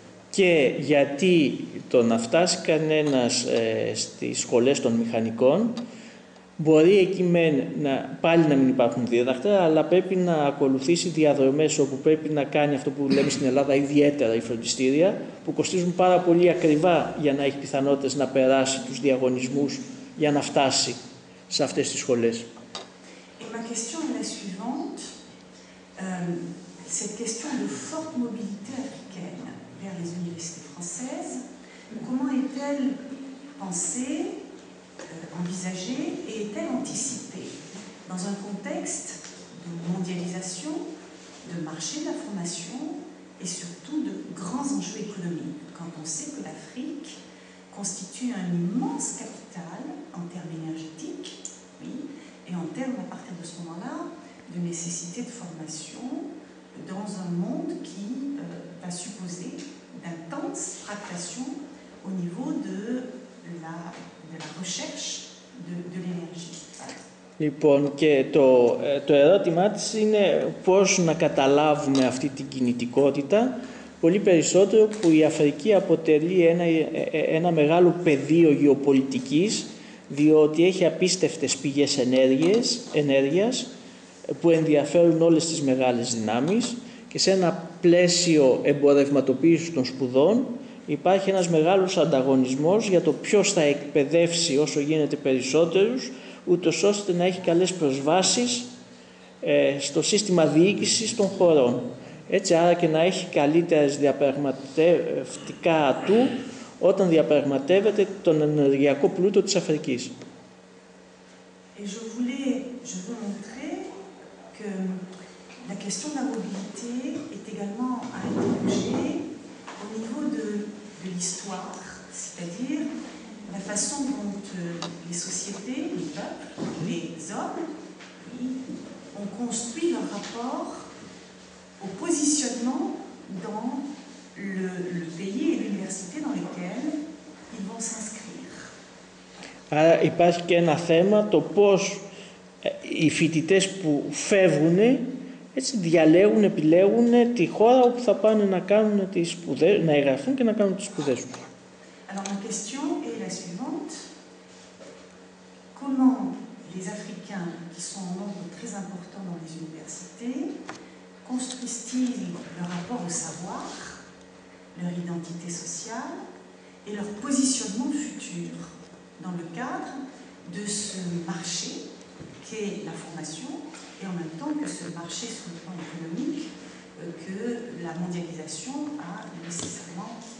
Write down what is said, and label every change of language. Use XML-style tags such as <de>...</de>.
<el>Και γιατί το να φτάσει κανένας στις σχολές των μηχανικών, μπορεί εκεί πάλι να μην υπάρχουν δίδακτρα, αλλά πρέπει να ακολουθήσει διαδρομές όπου πρέπει να κάνει αυτό που λέμε στην Ελλάδα ιδιαίτερα οι φροντιστήρια, που κοστίζουν πάρα πολύ ακριβά για να έχει πιθανότητες να περάσει τους διαγωνισμούς για να φτάσει σε αυτές τις σχολές. Η</el> <fr>question</fr> <el>είναι η</el> <fr>suivante. Cette question de forte mobilité africaine vers les universités françaises, comment est-elle pensée, envisagée et est-elle anticipée dans un contexte de mondialisation, de marché de la formation et surtout de grands enjeux économiques, quand on sait que l'Afrique constitue un immense capital en termes énergétiques, oui, et en termes, à partir de ce moment-là, de nécessité de formation dans un monde qui va supposer d'intenses fractations au niveau de la recherche de l'énergie.</fr> <el>Λοιπόν, και το ερώτημά της είναι πώς να καταλάβουμε αυτή την κινητικότητα, πολύ περισσότερο που η Αφρική αποτελεί ένα μεγάλο πεδίο γεωπολιτικής, διότι έχει απίστευτες πηγές ενέργειας που ενδιαφέρουν όλες τις μεγάλες δυνάμεις, και σε ένα πλαίσιο εμπορευματοποίησης των σπουδών υπάρχει ένας μεγάλος ανταγωνισμός για το ποιος θα εκπαιδεύσει όσο γίνεται περισσότερους, ούτως ώστε να έχει καλές προσβάσεις στο σύστημα διοίκησης των χωρών. Έτσι άρα και να έχει καλύτερες διαπραγματευτικά ατού όταν διαπραγματεύεται τον ενεργειακό πλούτο της Αφρικής.</el> <fr>Et je voulais, je veux montrer que la question de la mobilité est également à interroger au niveau de l'histoire, c'est-à-dire la façon dont les sociétés, les peuples, les hommes, oui, ont construit leur rapport au positionnement dans le pays et l'université dans lesquels ils vont s'inscrire.</fr> <el>Άρα υπάρχει και ένα θέμα, το πώς οι φοιτητές που φεύγουν, έτσι διαλέγουν, επιλέγουν τη χώρα όπου θα πάνε να κάνουν τις σπουδές, να εγγραφούν και να κάνουν τις σπουδές τους.</el> <fr>Alors ma question est la suivante. Comment les Africains, qui sont en nombre très important dans les universités, construisent-ils leur rapport au savoir, leur identité sociale et leur positionnement futur dans le cadre de ce marché qu'est la formation et en même temps que ce marché sur le plan économique que la mondialisation a nécessairement</fr>